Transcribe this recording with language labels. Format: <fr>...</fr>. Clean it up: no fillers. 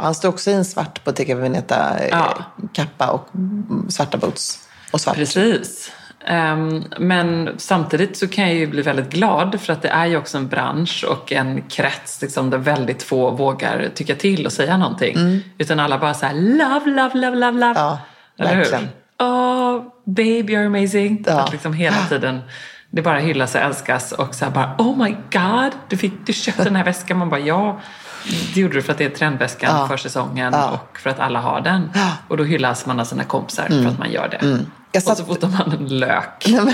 <sv>Han står också i en svart på Tika Veneta kappa och svarta boots. Och svart. Precis. Men samtidigt så kan jag ju bli väldigt glad för att det är ju också en bransch och en krets liksom, där väldigt få vågar tycka till och säga någonting. Mm. Utan alla bara så här,</sv> <en>love, love, love, love, love.</en> <sv>Ja, eller verkligen. Hur?</sv> <en>Oh, babe, you're amazing.</en> <sv>Ja. Att liksom hela tiden... Det bara hyllas och älskas och så bara,</sv> <en>oh my god,</en> <sv>du köpte den här väskan. Man bara, ja, det gjorde du för att det är trendväskan för säsongen och för att alla har den. Ja. Och då hyllas man av sina kompisar för att man gör det. Mm. Jag satt... Och så fotar man en lök.</sv>